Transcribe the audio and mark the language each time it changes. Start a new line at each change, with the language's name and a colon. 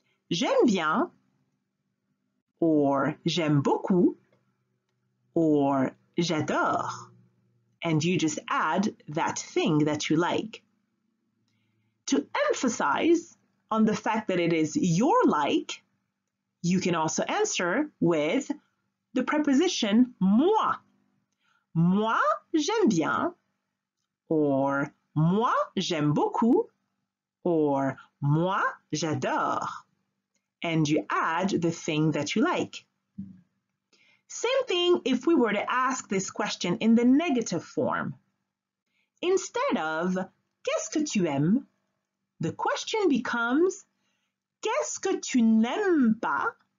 French: J'aime bien, or j'aime beaucoup, or j'adore.
English: And you just add that thing that you like. To emphasize on the fact that it is your like, you can also answer with the preposition moi.
French: Moi, j'aime bien, or moi, j'aime beaucoup, or moi, j'adore.
English: And you add the thing that you like. Same thing if we were to ask this question in the negative form. Instead of
French: qu'est-ce que tu aimes,
English: the question becomes
French: qu'est-ce que tu n'aimes pas?